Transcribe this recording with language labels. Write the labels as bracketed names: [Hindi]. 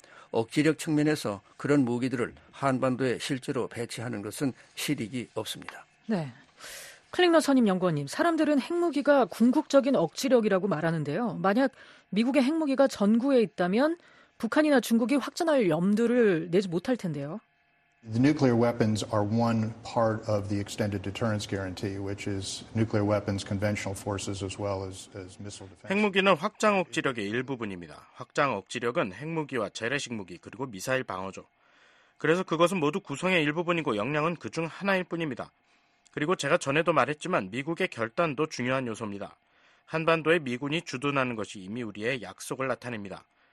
[Korean] 억지력 측면에서 그런 무기들을 한반도에 실제로 배치하는 것은 실익이 없습니다. 네. 클링너 선임 연구원님, 사람들은 핵무기가 궁극적인 억지력이라고 말하는데요. 만약 미국의 핵무기가 전구에 있다면 북한이나 중국이 확전할 염두를 내지 못할 텐데요. [English] The nuclear weapons are one part of the extended deterrence guarantee, which is nuclear weapons, conventional forces, as well as missile defense. [Korean] 핵무기는 확장 억지력의 일부분입니다. 확장 억지력은 핵무기와 재래식 무기 그리고 미사일 방어죠. 그래서 그것은 모두 구성의 일부분이고 역량은 그중 하나일 뿐입니다. 그리고 제가 전에도 말했지만 미국의 결단도 중요한 요소입니다. 한반도에 미군이 주둔하는 것이 이미 우리의 약속을 나타냅니다.